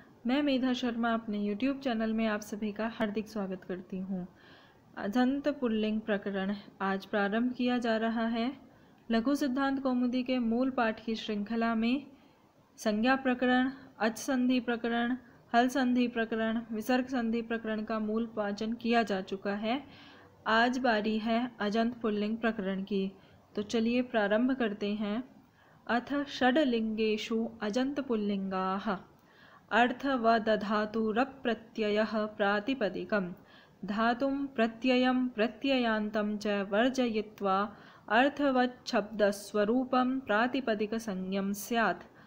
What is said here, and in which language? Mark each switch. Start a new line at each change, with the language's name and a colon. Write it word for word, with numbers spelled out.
Hindi: मैं मेधा शर्मा अपने YouTube channel में आप सभी का हार्दिक स्वागत करती हूँ। अजंत पुल्लिंग प्रकरण आज प्रारंभ किया जा रहा है। लघु सिद्धांत कौमुदी के मूल पाठ की श्रृंखला में संज्ञा प्रकरण, अच संधि प्रकरण, हल संधि प्रकरण, विसर्ग संधि प्रकरण का मूल पाचन किया जा चुका है। आज बारी है अजंत पुल्लिंग प्रकरण की, तो चलिए प्रारंभ करते हैं।
Sanskrit: अथ षड्लिंगेषु अजन्तपुल्लिङ्गाः अर्थवदधातुरप् प्रत्ययः प्रातिपदिकं धातुं प्रत्ययं प्रत्ययान्तं च वर्जयित्वा अर्थवच्छब्दस्वरूपं प्रातिपदिकसंज्ञं स्यात्।